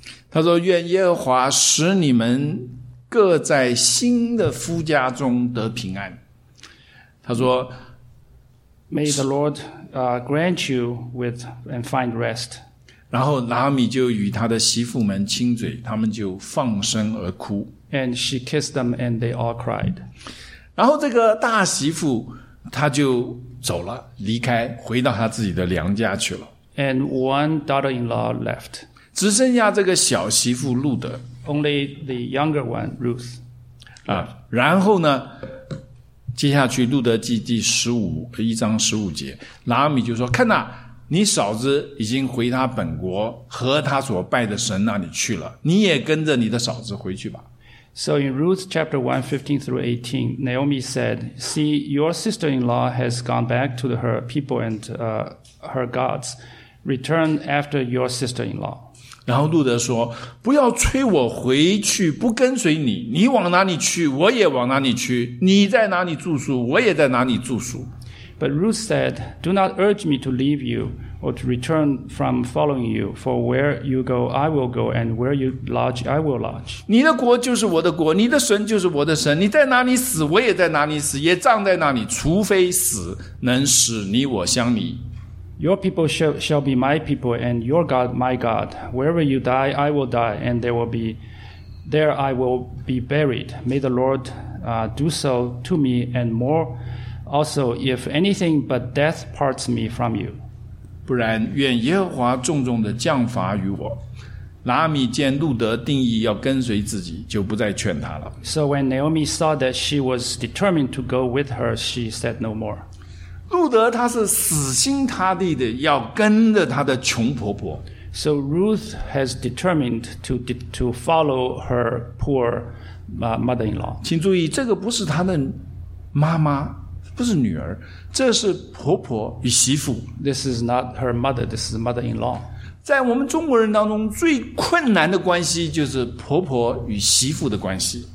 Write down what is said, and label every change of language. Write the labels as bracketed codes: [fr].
[zh] 他说，愿耶和华使你们各在新的夫家中得平安。他说， [en] May the Lord grant you with and find rest. [zh] 然后拿俄米就与他的媳妇们亲嘴，他们就放声而哭。 [en] And she kissed them and they all cried. [zh] 然后这个大媳妇他就走了，离开，回到他自己的娘家去了。 [en] And one daughter-in-law left. [zh] 只剩下这个小媳妇路德。 [en] Only the younger one, Ruth. [zh] 啊，然后呢，接下去路德记第十五一章十五节，拿俄米就说：“看哪，你嫂子已经回他本国和他所拜的神那里去了，你也跟着你的嫂子回去吧。” [en] So in Ruth chapter 1, 15 through 18, Naomi said, "See, your sister-in-law has gone back to her people and her gods. Return after your sister-in-law." [zh] 然后路德说，不要催我回去，不跟随你。你往哪里去，我也往哪里去。你在哪里住宿，我也在哪里住宿。 [en] But Ruth said, "Do not urge me to leave you or to return from following you. For where you go, I will go, and where you lodge, I will lodge." [zh] 你的国就是我的国，你的神就是我的神。你在哪里死，我也在哪里死，也葬在那里，除非死能使你我相离。 [en] Your people shall be my people, and your God my God. Wherever you die, I will die, and there I will be buried. May the Lord do so to me and more. Also, if anything but death parts me from you. [zh] 不然，愿耶和华重重的降罚于我。拿俄米见路德定义要跟随自己，就不再劝他了。 [en] So when Naomi saw that she was determined to go with her, she said no more. [zh] 路德他是死心塌地的要跟着他的穷婆婆。 [en] So Ruth has determined to follow her poor mother-in-law. [zh] 请注意，这个不是他的妈妈，不是女儿，这是婆婆与媳妇。 [en] This is not her mother, this is mother-in-law. [zh] 在我们中国人当中，最困难的关系就是婆婆与媳妇的关系。